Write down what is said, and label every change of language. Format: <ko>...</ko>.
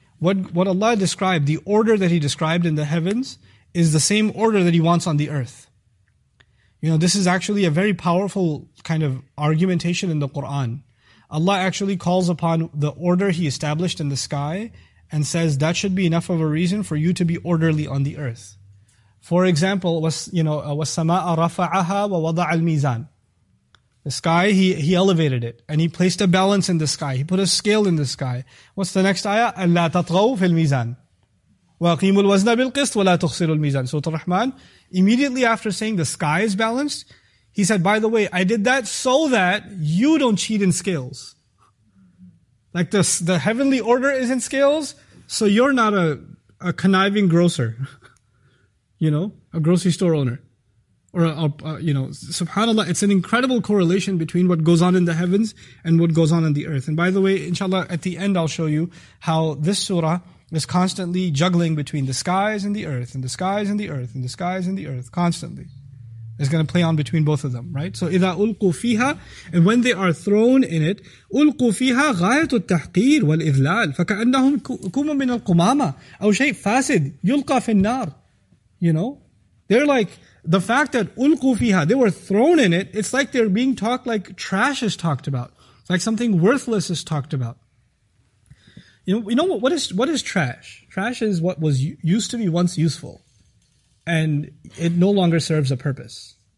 <en>What Allah described, the order that He described in the heavens, is the same order that He wants on the earth. You know, this is actually a very powerful kind of argumentation in the Qur'an. Allah actually calls upon the order He established in the sky and says that should be enough of a reason for you to be orderly on the earth. For example,</en> <ar>وَالسَّمَاءَ رَفَعَهَا وَوَضَعَ الْمِيزَانِ.</ar> <en>The sky, he elevated it. And he placed a balance in the sky. He put a scale in the sky. What's the next ayah?</en> <ar>أَلَّا تَطْغَوْ فِي الْمِيزَانِ وَأَقِيمُ الْوَزْنَ بِالْقِسْطِ وَلَا تُخْسِرُ الْمِيزَانِ.</ar> <en>Surah Rahman, immediately after saying the sky is balanced, he said, by the way, I did that so that you don't cheat in scales. Like the heavenly order is in scales, so you're not a conniving grocer. You know, a grocery store owner. SubhanAllah, it's an incredible correlation between what goes on in the heavens and what goes on in the earth. And by the way, inshallah, at the end I'll show you how this surah is constantly juggling between the skies and the earth, and the skies and the earth, and the skies and the earth, constantly. It's going to play on between both of them, right?</en> <ar>So, إِذَا أُلْقُوا فِيهَا,</ar> <en>and when they are thrown in it,</en> <ar>أُلْقُوا فِيهَا غَايَةُ التَّحْقِيرِ وَالْإِذْلَالِ فَكَأَنَّهُمْ كُمُوا مِنَ الْقُمَامَةِ أَوْ شَيْءٍ فَاسِدٍ يُلْقَى فِي النَّارِ.</ar> <en>You know? They're like, the fact that ulqu fiha, they were thrown in it, it's like they're being talked like trash is talked about. Like something worthless is talked about. You know what is trash? Trash is what was used to be once useful. And it no longer serves a purpose.</en>